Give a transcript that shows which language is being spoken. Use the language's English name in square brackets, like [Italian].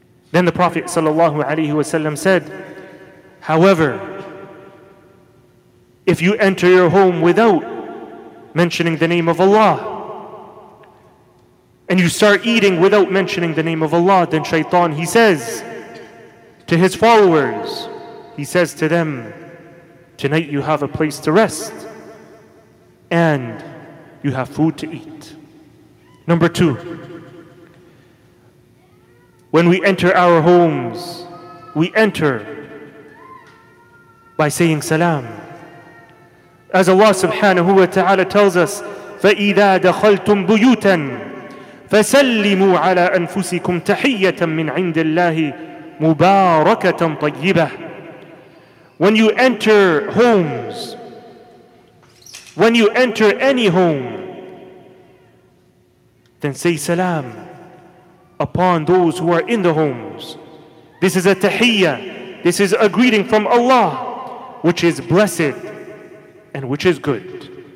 [English] Then the Prophet sallallahu alaihi wasallam said, "However, if you enter your home without mentioning the name of Allah, and you start eating without mentioning the name of Allah, then shaitan," he says to his followers, he says to them, "Tonight you have a place to rest and you have food to eat." Number two, when we enter our homes, we enter by saying salam. As Allah subhanahu wa ta'ala tells us, [Arabic] فَإِذَا دَخَلْتُمْ بُيُوتًا فَسَلِّمُوا عَلَىٰ أَنفُسِكُمْ تَحِيَّةً مِّنْ عِنْدِ اللَّهِ مُبَارَكَةً طَيِّبَةً. [English] When you enter homes, when you enter any home, then say salam upon those who are in the homes. This is a tahiyyah. This is a greeting from Allah, which is blessed and which is good.